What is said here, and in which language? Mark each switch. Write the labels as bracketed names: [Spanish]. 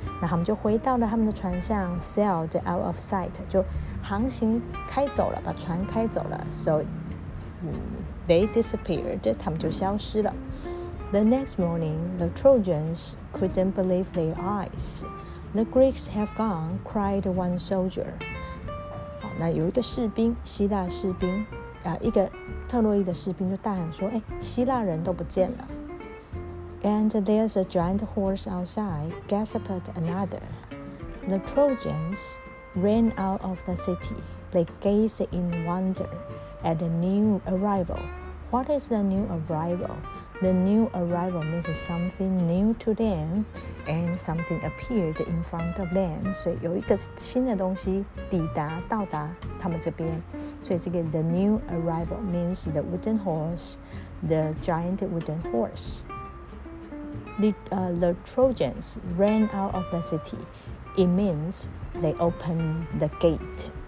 [Chinese] 那他们就回到了他们的船上 [English] sailed out of sight, [Chinese] 就航行开走了，把船开走了。 [English] So, they disappeared, [Chinese] 他们就消失了。 [English] The next morning, the Trojans couldn't believe their eyes. The Greeks have gone, cried one soldier. [Chinese] 好，那有一个士兵，希腊士兵，一个特洛伊的士兵就大喊说，希腊人都不见了。 [English] And there's a giant horse outside, gasped another. The Trojans ran out of the city. They gazed in wonder at the new arrival. What is the new arrival? The new arrival means something new to them, and something appeared in front of them. [Chinese] 所以有一个新的东西抵达到达他们这边。所以这个 [English] the new arrival means the wooden horse, the giant wooden horse. The Trojans ran out of the city. It means they opened the gate.